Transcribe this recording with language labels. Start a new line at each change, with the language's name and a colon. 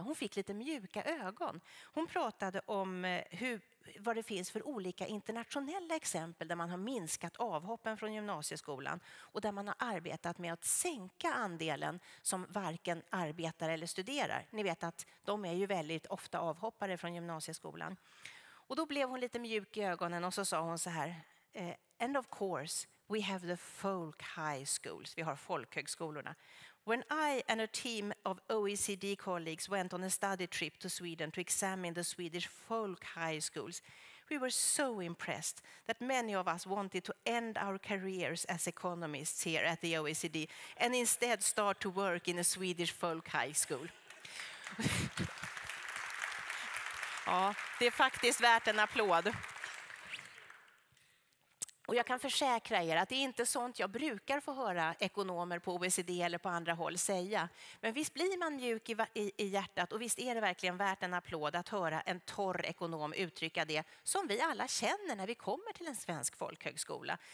Swedish: Hon fick lite mjuka ögon. Hon pratade om vad det finns för olika internationella exempel där man har minskat avhoppen från gymnasieskolan och där man har arbetat med att sänka andelen som varken arbetar eller studerar. Ni vet att de är ju väldigt ofta avhoppare från gymnasieskolan. Och då blev hon lite mjuk i ögonen och så sa hon så här:
English: "And of course, we have the folk high schools."
Swedish: Vi har folkhögskolorna.
English: "When I and a team of OECD colleagues went on a study trip to Sweden to examine the Swedish folk high schools, we were so impressed that many of us wanted to end our careers as economists here at the OECD and instead start to work in a Swedish folk high school."
Swedish: Ja, det är faktiskt värt en applåd. Och jag kan försäkra er att det är inte sånt jag brukar få höra ekonomer på OECD eller på andra håll säga. Men visst blir man mjuk i hjärtat och visst är det verkligen värt en applåd att höra en torr ekonom uttrycka det som vi alla känner när vi kommer till en svensk folkhögskola.